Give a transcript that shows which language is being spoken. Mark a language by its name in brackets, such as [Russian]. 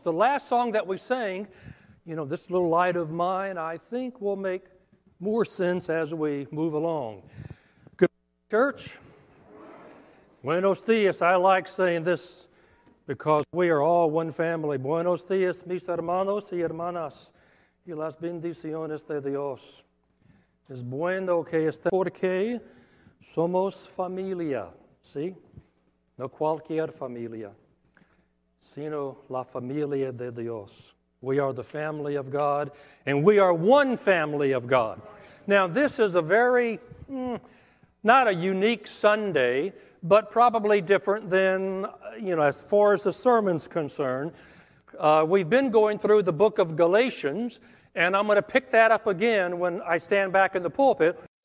[English] The last song that we sang, you know, "This Little Light of Mine," I think will make more sense as we move along. Good morning, church. [Spanish] Buenos dias. [English] I like saying this because we are all one family. [Spanish] Buenos dias, mis hermanos y hermanas, y las bendiciones de Dios. Es bueno que esté porque somos familia, ¿sí? No cualquier familia, sino la familia de Dios. [English] We are the family of God, and we are one family of God. Now, this is a very, not a unique Sunday, but probably different than, you know, as far as the sermon's concerned. We've been going through the book of Galatians, and I'm going to pick that up again when I stand back in the pulpit.